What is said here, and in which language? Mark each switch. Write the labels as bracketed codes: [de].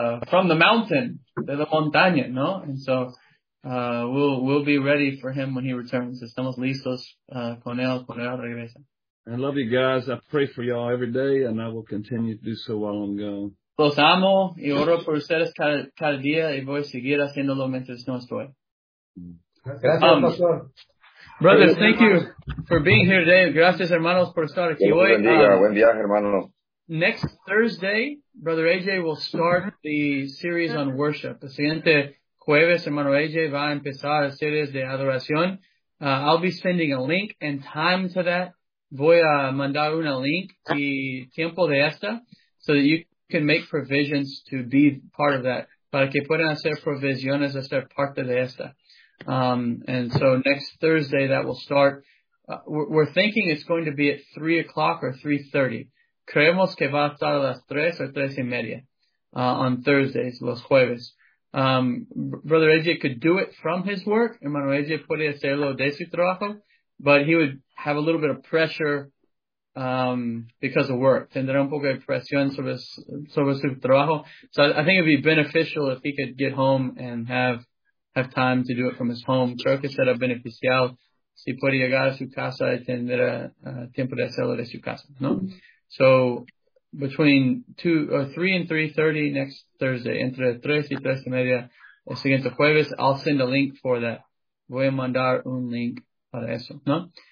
[en] From the mountain, [es] de la montaña, ¿no? [en] And so we'll be ready for him when he returns. [es] Estamos listos con él cuando él regresa. [en] I love you guys. I pray for y'all every day, and I will continue to do so while I'm gone. [es] Los amo y oro por ustedes cada día y voy a seguir haciéndolo mientras no estoy. Gracias, pastor. [en] Brothers, thank you for being here today. [es] Gracias, hermanos, por estar aquí hoy. Buen día, hermano. [en] Next Thursday, Brother AJ will start the series on worship. [es] El siguiente jueves, hermano AJ va a empezar la serie de adoración. [en] I'll be sending a link and time to that. [es] Voy a mandar una link y tiempo de esta [en] so that you can make provisions to be part of that. [es] Para que puedan hacer provisiones a ser parte de esta. [en] And so next Thursday that will start. We're thinking it's going to be at 3 o'clock or 3:30. [es] Creemos que va a estar a las 3 o 3 y media [en] on Thursdays, [es] los jueves. [en] Brother AJ could do it from his work. [es] Hermano AJ puede hacerlo de su trabajo. [en] But he would have a little bit of pressure because of work. [es] Tendrá un poco de presión sobre su trabajo. [en] So I think it would be beneficial if he could get home and have time to do it from his home. [es] Creo que será beneficial si puede llegar a su casa y tener tiempo de hacerlo de su casa, ¿no? [en] So between 3:30 next Thursday, [es] entre 3:00 y 3:30 el siguiente jueves, [en] I'll send a link for that. [es] Voy a mandar un link para eso, ¿no?